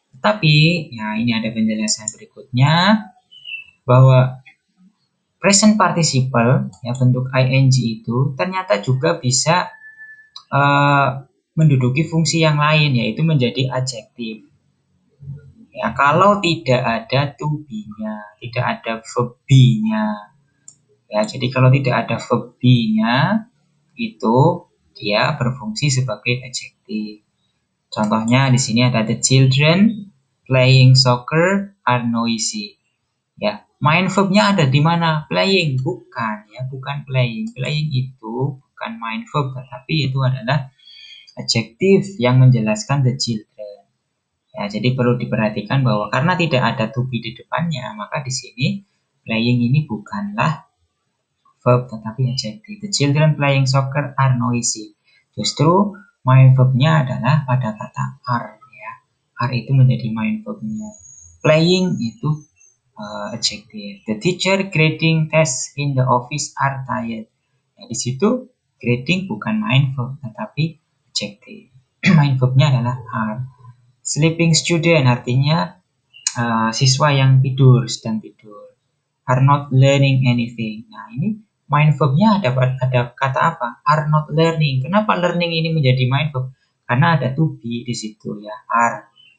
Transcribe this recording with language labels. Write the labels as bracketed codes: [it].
[id] Tapi ya, ini ada penjelasan berikutnya bahwa present participle ya, bentuk ing itu ternyata juga bisa menduduki fungsi yang lain, yaitu menjadi adjektif ya, kalau tidak ada to be nya tidak ada verb be nya ya. Jadi kalau tidak ada verb be nya itu dia berfungsi sebagai adjektif. Contohnya di sini ada [en] the children playing soccer are noisy. [id] Ya, main verbnya ada di mana? Playing, bukan ya, bukan playing. Playing itu bukan main verb, tetapi itu adalah adjektif yang menjelaskan the children. Ya, jadi perlu diperhatikan bahwa karena tidak ada to be di depannya, maka di sini playing ini bukanlah verb, tetapi adjektif. [en] The children playing soccer are noisy. [id] Justru main verbnya adalah pada kata are. Are itu menjadi main verbnya. Playing itu adjective. [en] The teacher grading test in the office are tired. [id] Nah, di situ grading bukan main verb tetapi adjective. Main verbnya adalah are. [en] Sleeping student [id] artinya siswa yang tidur, sedang tidur. [en] Are not learning anything. [id] Nah, ini main verbnya ada kata apa? [en] Are not learning. [id] Kenapa learning ini menjadi main verb? Karena ada to be di situ ya. Are.